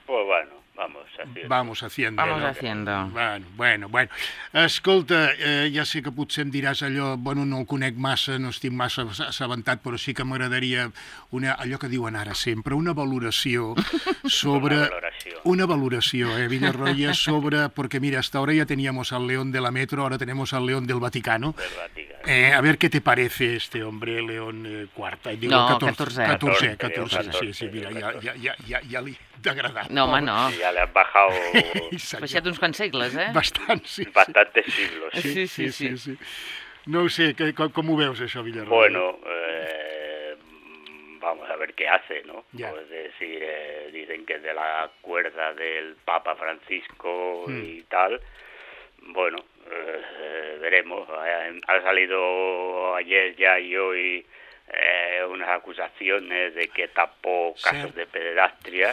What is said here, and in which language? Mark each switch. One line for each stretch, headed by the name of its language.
Spanish: Pues bueno. Vamos haciendo. Bueno.
Catalan: Escolta, ja sé que potser em diràs allò, bueno, no el conec massa, no estic massa assabentat, però sí que m'agradaria una, allò que diuen ara sempre, una valoració sobre... Una valoració, Villarroya, sobre...
Spanish: Porque mira, hasta ahora ya teníamos al León de la Metro, ahora tenemos al León del Vaticano. A ver qué te parece este hombre, León IV. Digo, no, 14. 14, 14, 14, 14, 14, sí, mira, 14.
Catalan: Ja li... d'agradar. No, home, no. Ja l'has bajat... Baixat uns quants segles, eh? Bastant, sí. Bastant segles. Sí. No ho sé, com ho veus, això, Villarroya?
Spanish: Bueno, vamos a ver qué hace, ¿no? Ya. Pues decir, dicen que de la cuerda del Papa Francisco y tal, bueno, veremos. Ha salido ayer ya y hoy... unas acusaciones de que tapó casos de pederastria.